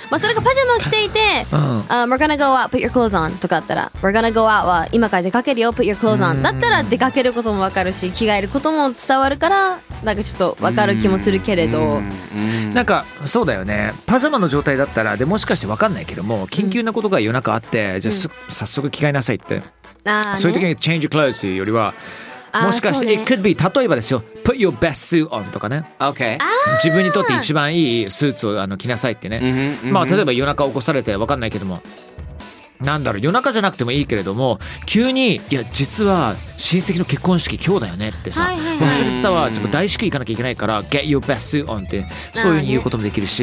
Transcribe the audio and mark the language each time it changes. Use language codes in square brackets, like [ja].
[ja] まあ、それがパジャマを着ていて、うん、 [en] we're gonna go out, put your clothes on [ja] とかあったら、 [en] we're gonna go out [ja] は今から出かけるよ、 [en] put your clothes on [ja] だったら出かけることもわかるし、着替えることも伝わるから、なんかちょっとわかる気もするけれど、なんかそうだよね。パジャマの状態だったら、でもしかしてわかんないけども、緊急なことが夜中あって、じゃあ、早速着替えなさいって、あね、そういう時に change clothes よりは。もしかして、ね、 [en] it could be [ja] 例えばですよ [en] put your best suit on [ja] とかね、 [en] okay. [ja] 自分にとって一番いいスーツをあの着なさいってね、まあ、例えば夜中起こされて分かんないけども、なんだろう、夜中じゃなくてもいいけれども、急にいや実は親戚の結婚式今日だよねってさ、はいはいはい、忘れてたわ、ちょっと大至急行かなきゃいけないから [en] get your best suit on [ja] ってそういう風に言うこともできるし、